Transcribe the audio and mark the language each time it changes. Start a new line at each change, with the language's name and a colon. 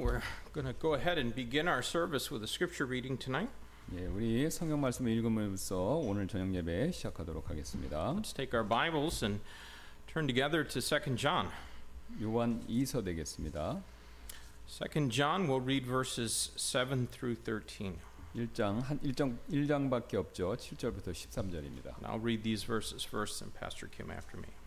English: We're going to go ahead and begin our service with a scripture reading tonight.
Korean: 예, 우리 성경 말씀을 읽으면서 오늘 저녁 예배 시작하도록 하겠습니다.
English: Let's take our Bibles and turn together to 2 John.
Korean: 요한 2서 되겠습니다.
English: 2 John, we'll read verses 7 through 13.
Korean: 1장밖에 없죠. 7절부터 13절입니다.
English: And I'll read these verses first and Pastor Kim after me.